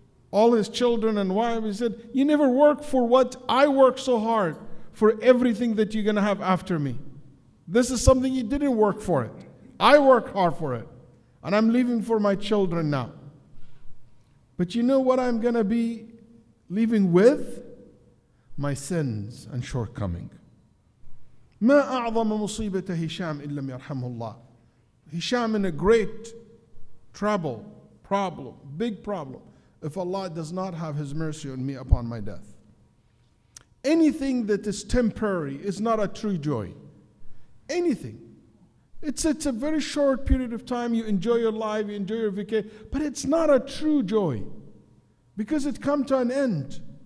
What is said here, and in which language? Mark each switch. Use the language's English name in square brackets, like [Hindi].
[English] All his children and wife, he said, you never worked for what I worked so hard for everything that you're going to have after me. This is something you didn't work for it. I work hard for it. And I'm leaving for my children now. But you know what I'm going to be leaving with? My sins and shortcoming. [Arabic] ما أعظم مصيبة هشام إن لم يرحمه الله. [English] Hisham in a great trouble, problem, big problem, if Allah does not have his mercy on me upon my death. Anything that is temporary is not a true joy. Anything. It's a very short period of time, you enjoy your life, you enjoy your vacation, but it's not a true joy because it comes to an end.